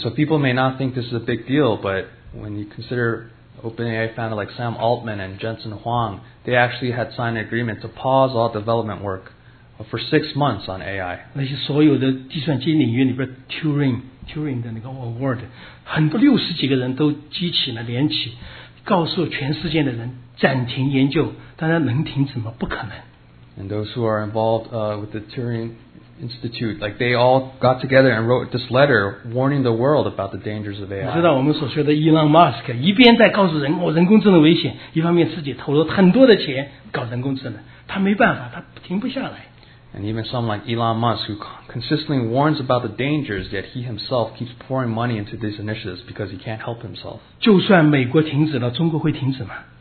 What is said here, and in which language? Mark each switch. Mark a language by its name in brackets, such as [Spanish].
[English] so people may not think this is a big deal, but when you consider OpenAI founder like Sam Altman and Jensen Huang, they actually had signed an agreement to pause all development work for 6 months on AI. [Chinese] 那些所有的计算机领域里边 Turing的那个 award， 很多60几个人都集起了联起， 告诉全世界的人暂停研究， 大家能停止吗？不可能。 [English] And those who are involved with the Turing Institute, like they all got together and wrote this letter warning the world about the dangers of AI. [Chinese] 你知道我们所说的 Elon Musk， 一边在告诉人， 人工智能危险， 一方面自己投入很多的钱搞人工智能， 他没办法， 他停不下来。 [English] And even someone like Elon Musk, who consistently warns about the dangers, yet he himself keeps pouring money into these initiatives because he can't help himself. [Chinese] 就算美国停止了, 中国会停止吗?